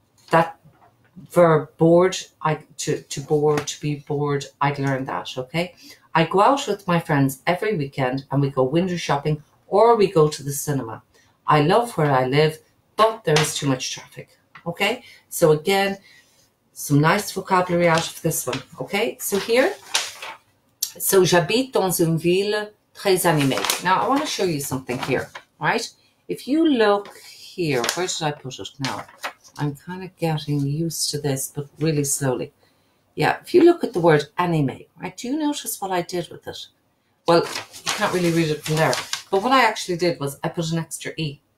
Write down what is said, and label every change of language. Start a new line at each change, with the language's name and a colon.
English: That verb bored, to bore, to be bored, I'd learned that, okay? I go out with my friends every weekend and we go window shopping or we go to the cinema. I love where I live, but there is too much traffic. Okay, so again, some nice vocabulary out of this one. Okay, so here, so
French: j'habite dans une ville très animée.
English: Now I want to show you something here, right? If you look here, where did I put it? Now I'm kind of getting used to this, but really slowly. Yeah, if you look at the word animé, right, do you notice what I did with it? Well, you can't really read it from there, but what I actually did was I put an extra E.